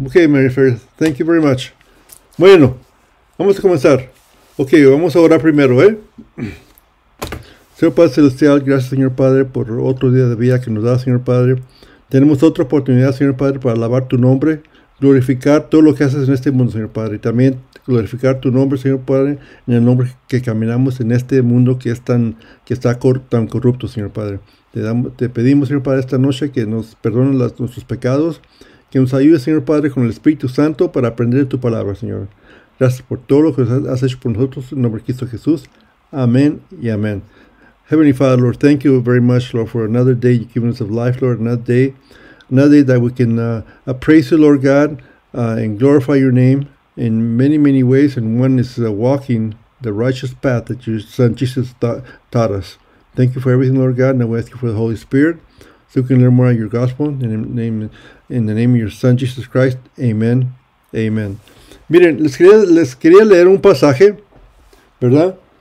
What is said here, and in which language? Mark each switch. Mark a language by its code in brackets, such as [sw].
[en] Ok, Mary Fair, thank you very much. [es] Bueno, vamos a comenzar. Ok, vamos a orar primero, ¿eh? Señor Padre Celestial, gracias, Señor Padre, por otro día de vida que nos da, Señor Padre. Tenemos otra oportunidad, Señor Padre, para alabar tu nombre, glorificar todo lo que haces en este mundo, Señor Padre. También glorificar tu nombre, Señor Padre, en el nombre que caminamos en este mundo que es tan, que está tan corrupto, Señor Padre. Te pedimos, Señor Padre, esta noche que nos perdone nuestros pecados, que nos ayude, Señor Padre, con el Espíritu Santo para aprender tu palabra, Señor. Gracias por todo lo que has hecho por nosotros, en nombre de Cristo Jesús. Amén y amén. [en] Heavenly Father, Lord, thank you very much, Lord, for another day you've given us of life, Lord, another day that we can praise you, Lord God, and glorify your name in many, many ways. And one is walking the righteous path that your son Jesus taught us. Thank you for everything, Lord God. Now we ask you for the Holy Spirit so we can learn more on your gospel. In the name of your son Jesus Christ, amen, amen. [es] Miren, les quería leer un pasaje, ¿verdad?